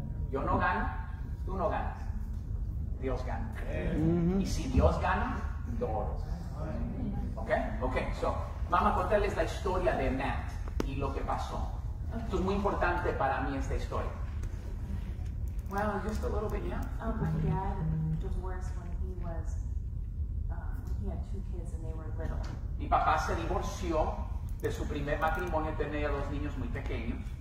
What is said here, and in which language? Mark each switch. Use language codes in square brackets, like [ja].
[es] Yo no gano, tú no ganas. Dios gana. Mm-hmm. Y si Dios gana, todos. ¿Ok? Ok, so, vamos a contarles la historia de Matt y lo que pasó. Okay. Esto es muy importante para mí, esta historia. [en] Well, just a little bit, yeah. My dad divorced when he was, he had two kids and they were little. [es] Mi papá se divorció de su primer matrimonio, tenía dos niños muy pequeños.